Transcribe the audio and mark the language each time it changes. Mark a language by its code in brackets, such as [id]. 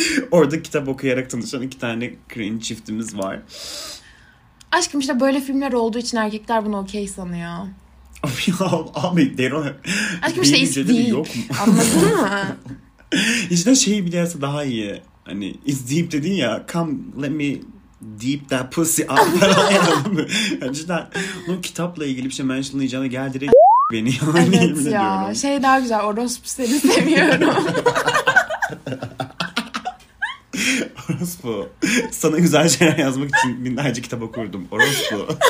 [tr] Orada kitap okuyarak tanışan iki tane cringe çiftimiz var. Aşkım işte böyle filmler olduğu için erkekler bunu okey sanıyor. Abi ya abi Deron. Aşkım işte [en] it's deep. [tr] Yok mu? Anladın mı? İşte şeyi biliyorsa daha iyi. Hani [en] it's deep [tr] dedin ya. [en] Come let me deep that pussy up. [tr] Gerçekten bunun kitapla ilgili bir şey mentionlayacağına gel direkt beni. Evet ya. Diyorum. Şey daha güzel. Orospu seni seviyorum. Orospu. Sana güzel şeyler yazmak için binlerce kitap okurdum. Orospu.